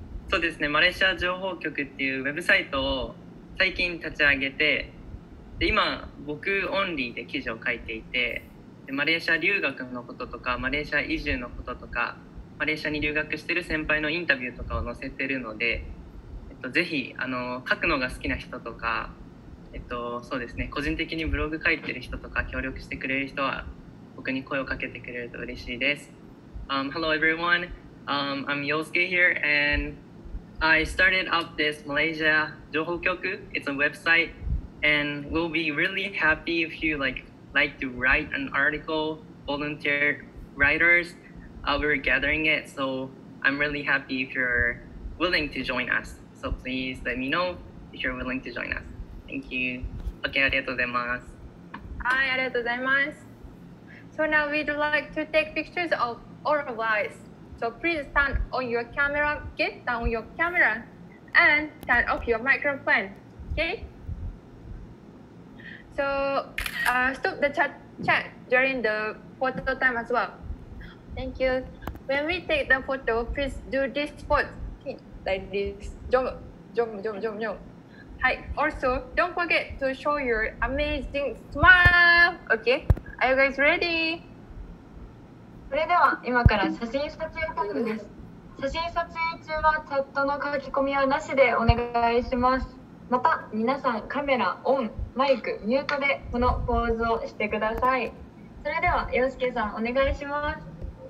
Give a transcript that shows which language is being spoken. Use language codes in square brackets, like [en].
[ja] そうですね、マレーシア情報局っていうウェブサイトを最近立ち上げて、で今僕オンリーで記事を書いていて、でマレーシア留学のこととか、マレーシア移住のこととか、マレーシアに留学してる先輩のインタビューとかを載せてるので、ぜひ書くのが好きな人とか、そうですね、個人的にブログ書いてる人とか、協力してくれる人は僕に声をかけてくれると嬉しいです。 [en] Hello everyone, I'm Yosuke here and I started up this Malaysia 情報局. It's a website and we'll be really happy if you like to write an article. Volunteer writers, we're gathering it, so I'm really happy if you're willing to join us. So please let me know if you're willing to join us. Thank you. [ja] Okay, ありがとうございます。はい、ありがとうございます。 [en] So now we'd like to take pictures of all of us. So please stand on your camera, get down your camera, and turn off your microphone. Okay? So stop the chat during the photo time as well. Thank you. When we take the photo, please do this pose. Like this, jump, jump, jump, jump, jump. Hi. Also, don't forget to show your amazing smile. Okay. Are you guys ready? [ja] それでは今から写真撮影タイムです。写真撮影中はチャットの書き込みはなしでお願いします。また皆さんカメラオン、マイクミュートでこのポーズをしてください。それでは陽介さんお願いします。